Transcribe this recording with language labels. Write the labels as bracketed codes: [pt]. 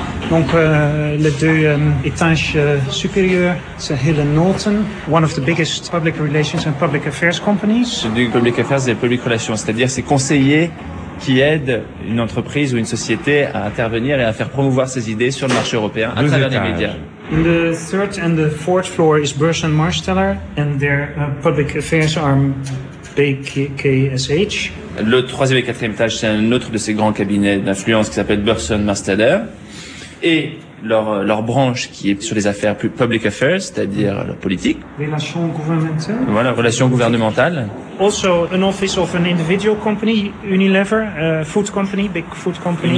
[fr] Donc les deux étages supérieurs, c'est [en] Hill & Norton, one of the biggest public relations and public affairs companies. [fr] C'est du public affairs et public relations, c'est-à-dire c'est conseiller qui aide une entreprise ou une société à intervenir et à faire promouvoir ses idées sur le marché européen à travers les médias. [en] In the third and the fourth floor is Burch & Marsteller and their public affairs arm BKSH. [fr] Le troisième et quatrième étage, c'est un autre de ces grands cabinets d'influence qui s'appelle Burch & Marsteller. Et leur branche qui est sur les affaires public affairs, c'est-à-dire la politique. Relations gouvernementales. Voilà, relations gouvernementales. [en] Also, an office of an individual company, Unilever, food company, big food company.